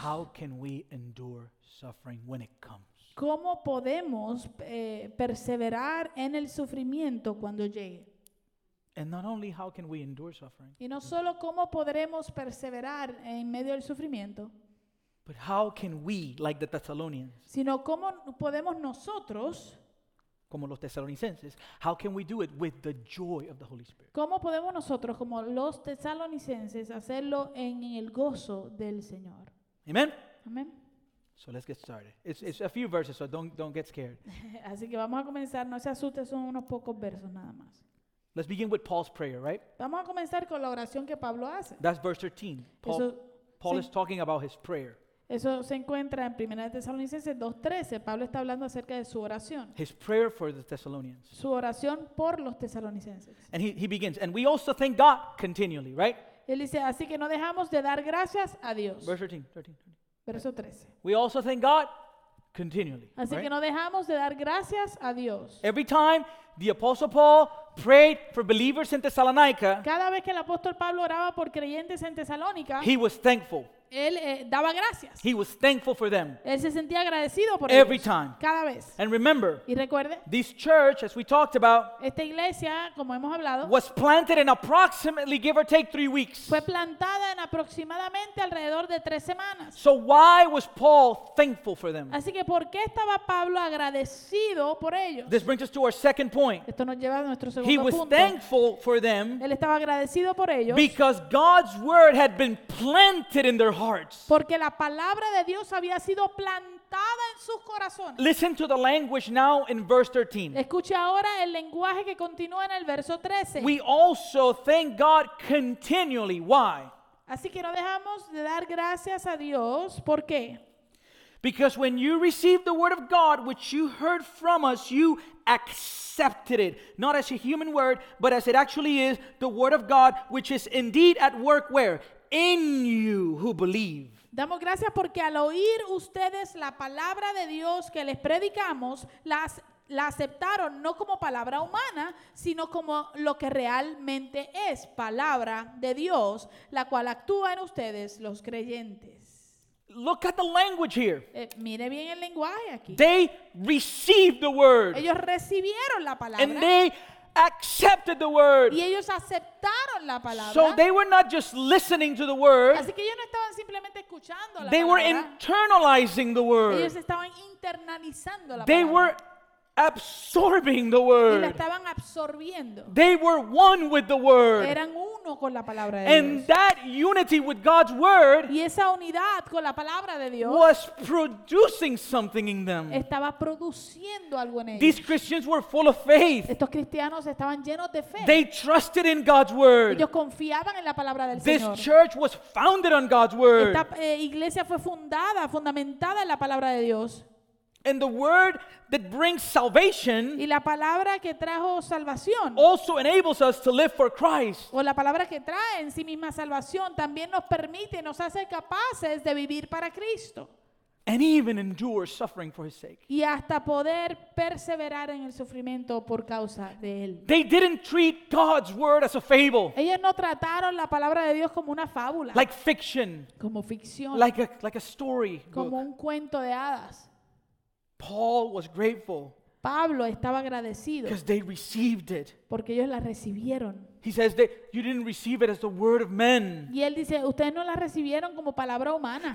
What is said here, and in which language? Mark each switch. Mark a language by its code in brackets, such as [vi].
[en] How can we endure suffering when it comes? [es] ¿Cómo podemos perseverar en el sufrimiento cuando llegue? [en] And not only how can we endure suffering? [es] Y no solo cómo podremos perseverar en medio del sufrimiento. [en] But how can we, like the Thessalonians? [es] Sino cómo podemos nosotros, como los tesalonicenses, [en] how can we do it with the joy of the Holy Spirit? [es] ¿Cómo podemos nosotros como los tesalonicenses hacerlo en el gozo del Señor? [en] Amen. [es] Amen. [en] So let's get started. It's a few verses, so don't get scared. [es] Así que vamos a comenzar, no se asuste, son unos pocos versos nada más. [en] Let's begin with Paul's prayer, right? [es] Vamos a comenzar con la oración que Pablo hace. [en] That's verse 13. Paul is talking about his prayer. [es] Eso se encuentra en 1 Tesalonicenses 2:13. Pablo está hablando acerca de su oración. [en] His prayer for the Thessalonians. [es] Su oración por los tesalonicenses. [en] And he begins, and we also thank God continually, right? [es] Él dice, así que no dejamos de dar gracias a Dios. Verso 13. [en] We also thank God continually. [es] Así [en] right? [es] que no dejamos de dar gracias a Dios. [en] Every time the Apostle Paul prayed for believers in Thessalonica, [es] cada vez que el apóstol Pablo oraba por creyentes en Tesalónica, [en] he was thankful. [es] Él daba gracias. [en] He was thankful for them. [es] Él se sentía agradecido por [en] every [es] ellos. [en] Time. [es] Cada vez. [en] And remember, [es] y recuerde, [en] this church, as we talked about, [es] esta iglesia, como hemos hablado, [en] was planted in approximately, give or take, 3 weeks. [es] Fue plantada en aproximadamente alrededor de 3 semanas. [en] So why was Paul thankful for them? [es] Así que, ¿por qué estaba Pablo agradecido por ellos? [en] This brings us to our second point. [es] Esto nos lleva a nuestro segundo [en] he [es] punto. [en] Was thankful for them. [es] Él estaba agradecido por ellos. [en] Because God's word had been planted in their hearts. [es] Porque la palabra de Dios había sido plantada en sus corazones. [en] Listen to the language now in verse 13. [es] Escuche ahora el lenguaje que continúa en el verso 13. [en] We also thank God continually. Why? [es] Así que no dejamos de dar gracias a Dios. ¿Por qué? [en] Because when you received the word of God which you heard from us, you accepted it, not as a human word, but as it actually is, the word of God which is indeed at work where? In you who believe. [es] Damos gracias porque al oír ustedes la palabra de Dios que les predicamos, la aceptaron no como palabra humana, sino como lo que realmente es, palabra de Dios, la cual actúa en ustedes los creyentes. [en] Look at the language here. [es] Mire bien el lenguaje aquí. [en] They received the word. [es] Ellos recibieron la palabra. [en] And they accepted the word. [es] Y ellos aceptaron la palabra. [en] So they were not just listening to the word. [es] Así que ellos no estaban simplemente escuchando la [en] they [es] palabra. [en] Were internalizing the word. [es] Ellos estaban internalizando la [en] they [es] palabra. [en] Were absorbing the word. [es] Y la estaban absorbiendo. [en] They were one with the word. [es] Eran uno con la palabra de [en] and [es] Dios. [en] That unity with God's word [es] y esa unidad con la palabra de Dios [en] was producing something in them. [es] Estaba produciendo algo en ellos. [en] These Christians were full of faith. [es] Estos cristianos estaban llenos de fe. [en] They trusted in God's word. [es] Ellos confiaban en la palabra del [en] this [es] Señor. [en] This church was founded on God's word. [es] Esta iglesia fue fundamentada en la palabra de Dios. [en] And the word that brings salvation [es] y la palabra que trajo salvación [en] also enables us to live for Christ. [es] O la palabra que trae en sí misma salvación también nos permite, nos hace capaces de vivir para Cristo. [en] And even endure suffering for his sake. [es] Y hasta poder perseverar en el sufrimiento por causa de él. [en] They didn't treat God's word as a fable. [es] Ellos no trataron la palabra de Dios como una fábula. [en] Like fiction. [es] Como ficción. [en] Like a story. [es] Como [en] book. [es] Un cuento de hadas. [en] Paul was grateful. [es] Pablo estaba agradecido. [en] Because they received it. [es] Porque ellos la recibieron. [en] He says that you didn't receive it as the word of men. [es] Y él dice, ustedes no la recibieron como palabra humana.